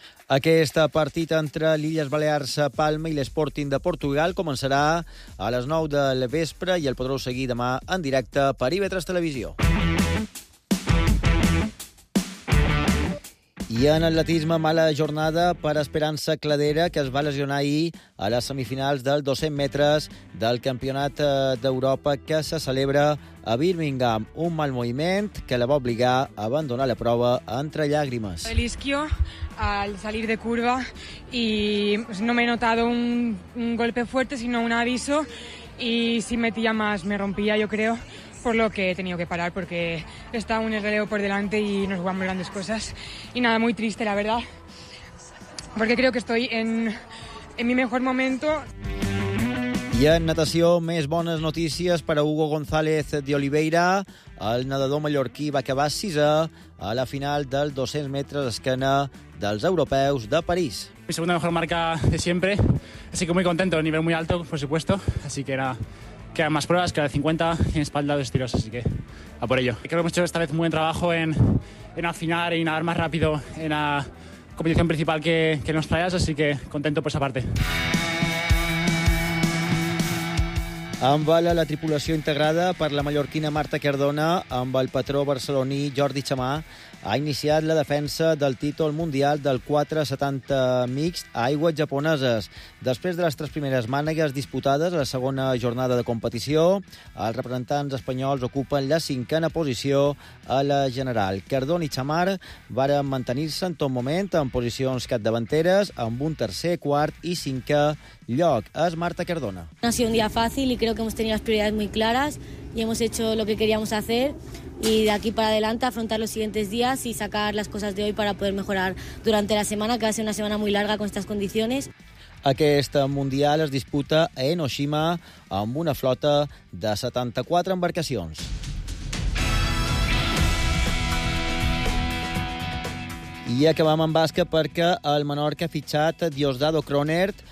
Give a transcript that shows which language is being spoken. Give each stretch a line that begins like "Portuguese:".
Catalan: Aquest partit entre l'Illes Balears Palma i l'Sporting de Portugal començarà a les 9 del vespre i el podreu seguir demà en directe per IB3 Televisió. I en atletisme, mala jornada per Esperança Cladera, que es va lesionar ahir a les semifinals del 200 metres del Campionat d'Europa que se celebra a Birmingham. Un mal moviment que la va obligar a abandonar la prova entre llàgrimes.
Spanish: El isquio al salir de curva y no me he notado un golpe fuerte, sino un aviso, y si metía más me rompía, yo creo. Por lo que he tenido que parar, porque está un relevo por delante y nos jugamos grandes cosas. Y nada, muy triste, la verdad, porque creo que estoy en mi mejor momento.
Catalan: I en natació, més bones notícies per a Hugo González de Oliveira. El nedador mallorquí va acabar sisè a la final del 200 metres d'esquena dels europeus de París.
Spanish: Mi segunda mejor marca de siempre, así que muy contento, a nivel muy alto, por supuesto, así que era... Quedan más pruebas, queda 50 en espalda de estilos, así que a por ello. Creo que hemos hecho esta vez un buen trabajo en afinar y nadar más rápido en la competición principal que nos traías, así que contento por esa parte.
Catalan: Amb la tripulació integrada per la mallorquina Marta Cardona, amb el patró barceloní Jordi Chamà, ha iniciat la defensa del títol mundial del 470 mixt a aigües japoneses. Després de les tres primeres mànegues disputades a la segona jornada de competició, els representants espanyols ocupen la cinquena posició a la general. Cardona i Chamà varen mantenir-se en tot moment en posicions capdavanteres amb un tercer, quart i cinquè lloc. És Marta Cardona.
Spanish: No ha sido un día fácil y creo que hemos tenido las prioridades muy claras y hemos hecho lo que queríamos hacer. Y de aquí para adelante afrontar los siguientes días y sacar las cosas de hoy para poder mejorar durante la semana, que va a ser una semana muy larga con estas condiciones.
Catalan: Aquest mundial es disputa a Enoshima amb una flota de 74 embarcacions. I acabam amb bàsquet perquè el Menorca ha fitxat Diosdado Cronert